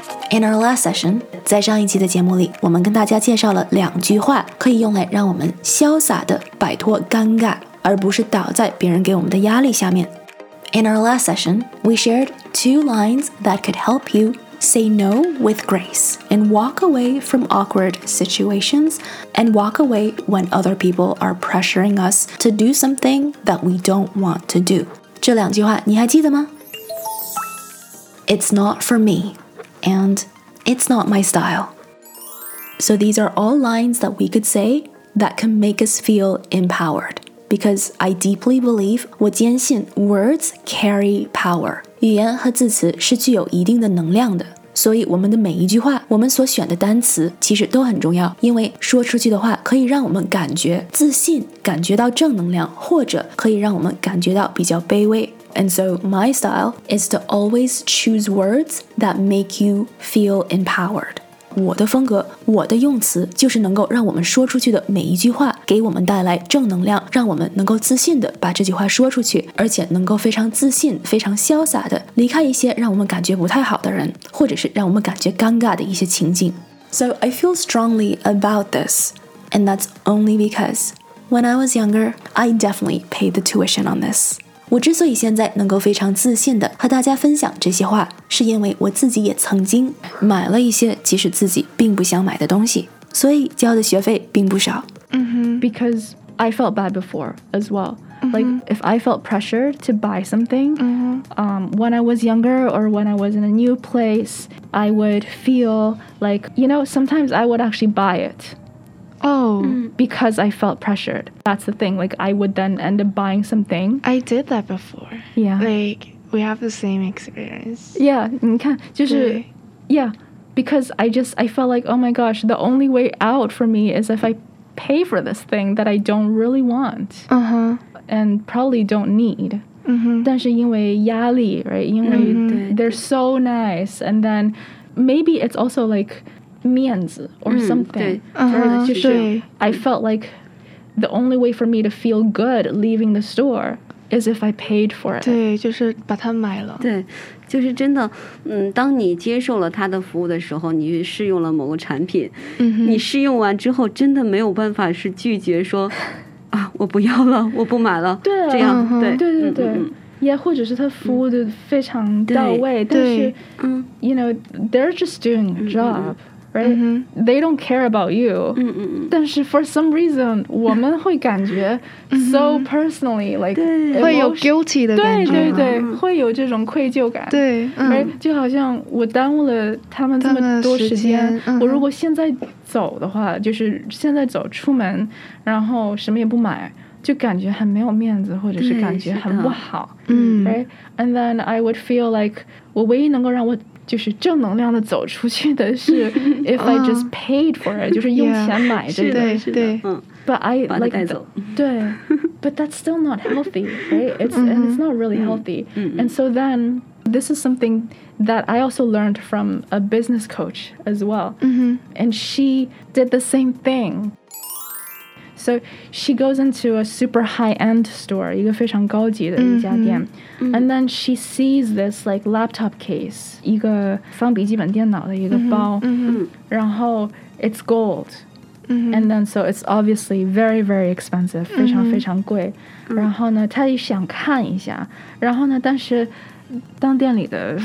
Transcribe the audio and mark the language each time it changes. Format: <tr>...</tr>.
<en>In our last session,</en> <zh>在上一期的节目里，我们跟大家介绍了两句话可以用来让我们潇洒地摆脱尴尬，而不是倒在别人给我们的压力下面。</zh> <en>In our last session, we shared two lines that could help you say no with grace and walk away from awkward situations and walk away when other people are pressuring us to do something that we don't want to do.</en> <zh>这两句话你还记得吗？</zh> <en>It's not for me and it's not my style. So these are all lines that we could say that can make us feel empowered. Because I deeply believe,</en> <zh>我坚信</zh> <en>words carry power.</en> <zh>语言和字词是具有一定的能量的。所以我们的每一句话，我们所选的单词其实都很重要。因为说出去的话可以让我们感觉自信，感觉到正能量，或者可以让我们感觉到比较卑微。</zh> <en>And so my style is to always choose words that make you feel empowered.</en> <zh>我的风格，我的用词就是能够让我们说出去的每一句话给我们带来正能量，让我们能够自信地把这句话说出去，而且能够非常自信，非常潇洒地离开一些让我们感觉不太好的人，或者是让我们感觉尴尬的一些情境。</zh> <en>So I feel strongly about this, and that's only because when I was younger, I definitely paid the tuition on this.</en> <zh>我之所以现在能够非常自信地和大家分享这些话，是因为我自己也曾经买了一些其实自己并不想买的东西，所以交的学费并不少。</zh> <en>Because I felt bad before as well. Like, if I felt pressure to buy something, when I was younger or when I was in a new place, I would feel like, you know, sometimes I would actually buy it. Because I felt pressured. That's the thing. Like, I would then end up buying something. I did that before. Yeah. Like, we have the same experience. Yeah,</en> <zh>你看就是</zh> <en>Yeah, because I felt like, oh my gosh, the only way out for me is if I pay for this thing that I don't really want. Uh-huh. And probably don't need. Mm-hmm.</en> <zh>但是因为压力</zh> <en>right?</en> <zh>因为</zh> <en>they're so nice. And then maybe it's also like...</en> <zh>面子</zh> <en>or something. I felt like the only way for me to feel good leaving the store is if I paid for it.</en> <zh>对，就是把它买了。对，就是真的，当你接受了他的服务的时候，你试用了某个产品，你试用完之后，真的没有办法是拒绝说啊，我不要了，我不买了。对，这样对，对对对。</zh> <en>Yeah,</en> <zh>或者是他服务的非常到位，但是，</zh> <en>you know, they're just doing a job, right? They don't care about you.</en> <zh>但是</zh> <en>for some reason,</en> <zh>我们会感觉</zh> <en>so personally, like,</en> <zh>会有 guilty 的感觉。对对对，会有这种愧疚感。对，就好像我耽误了他们这么多时间，我如果现在走的话，就是现在走出门，然后什么也不买。就感觉很没有面子，或者是感觉很不好，</zh> <en>right?</en> <zh>And then I would feel like 我唯一能够让我就是正能量的走出去的是 if I just paid for it, 就是用钱买这个，对对。</zh> <en>But I like</en> <zh>把它带走，对。</zh> <en>But that's still not healthy, right? It's not really healthy. And so then this is something that I also learned from a business coach as well. And she did the same thing. So she goes into a super high-end store,</en> <zh>一个非常高级的一家店</zh> <en>and then she sees this like laptop case,</en> <zh>一个放笔记本电脑的一个包 然后</zh> <en>it's gold, and then so it's obviously very, very expensive,</en> <zh>非常非常贵 然后呢她也想看一下然后呢但是当店里的</zh>